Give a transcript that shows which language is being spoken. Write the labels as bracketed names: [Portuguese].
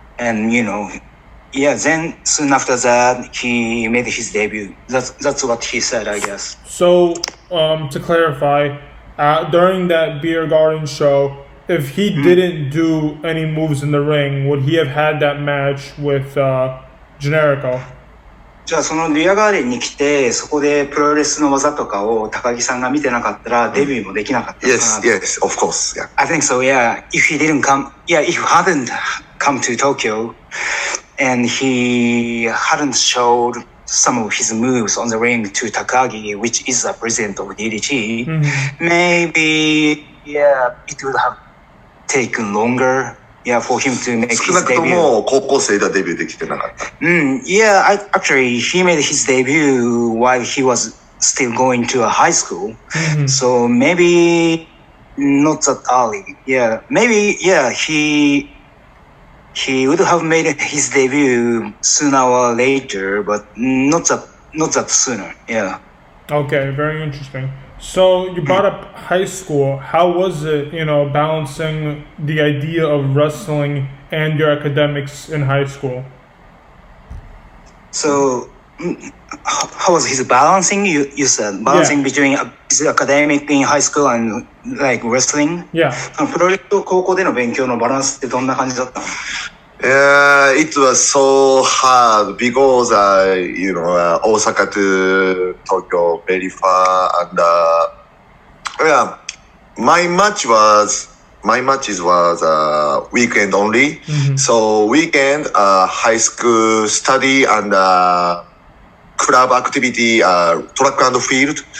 [English] And, you know, yeah, then soon after that, he made his debut. That's what he said, I guess. So, to clarify, during that Beer Garden show, if he didn't do any moves in the ring, would he have had that match with Generico? [Japanese] じゃあそのビアガーデンに来てそこでプロレスの技とかを高木さんが見てなかったらデビューもできなかったかな。 [English] Yes, of course. Yeah. I think so. Yeah. If he hadn't come to Tokyo, and he hadn't showed some of his moves on the ring to Takagi, which is the president of DDT, maybe, yeah, it would have taken longer, yeah, for him to make his debut. [Japanese] 少なくとも高校生ではデビューできてなかった。 [English] Actually, he made his debut while he was still going to a high school, so maybe not that early. He would have made his debut sooner or later, but not that sooner. Yeah. Okay. Very interesting. So you brought up high school. How was it, you know, balancing the idea of wrestling and your academics in high school? So how was his balancing? You said balancing between his academic in high school and like wrestling. Yeah. [Japanese] プロレス高校での勉強のバランスってどんな感じだったの？ [English] It was so hard because Osaka to Tokyo very far, and my matches was weekend only. So weekend high school study and club activity track and field.